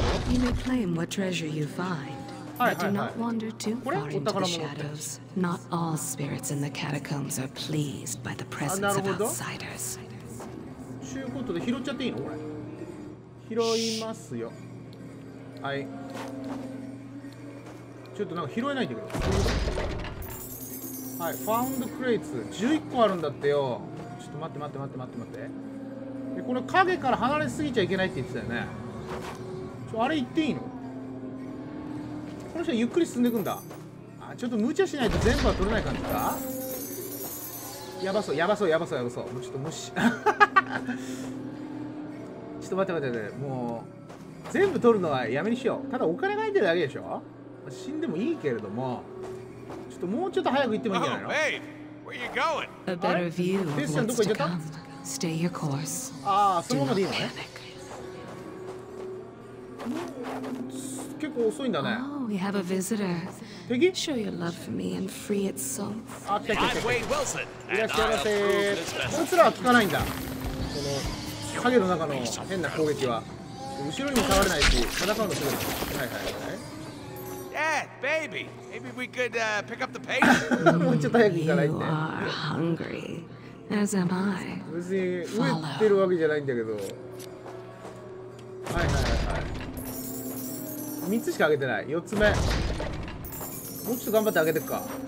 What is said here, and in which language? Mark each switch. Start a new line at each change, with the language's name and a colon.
English: You may claim what treasure you find, but do not wander too far into the shadows. Not all spirits in the catacombs are pleased by the presence of outsiders.
Japanese: ということで、拾っちゃっていいのこれ。拾いますよ。はい。ちょっとなんか拾えないんだけど。はい、ファウンドクレイツ11個あるんだってよ。ちょっと待って。で、この影から離れすぎちゃいけないって言ってたよね。あれ行っていいの？この人ゆっくり進んでいくんだ。あ、ちょっと無茶しないと全部は取れない感じか。やばそう。もうちょっと無視。ちょっと待って、もう全部取るのはやめにしよう。ただお金が入ってるだけでしょ。死んでもいいけれども、ちょっともうちょっと早く行ってもいいんじゃないの。
English: Oh, babe, where you going? A better view of what's to come. Stay your course.
Japanese: ああ、そのままでいいのね。結構遅いんだね。
English: Oh, we have a visitor.
Japanese: 敵？
English: Show your love for me and free its soul.
Japanese: あ、来た来た来た。いらっしゃいませ。こいつらは効かないんだ。この影の中の変な攻撃は。後ろにも触れないし、戦うのすごい。はいはいはい。
English: Dad, baby, maybe we could pick up the pace.
Japanese: もうちょっと早く行かないって。
English: You are hungry, as am I.
Japanese: 別に飢えてるわけじゃないんだけど。はいはいはいはい。3つしかあげてない。 4つ目。もうちょっと頑張ってあげてっか。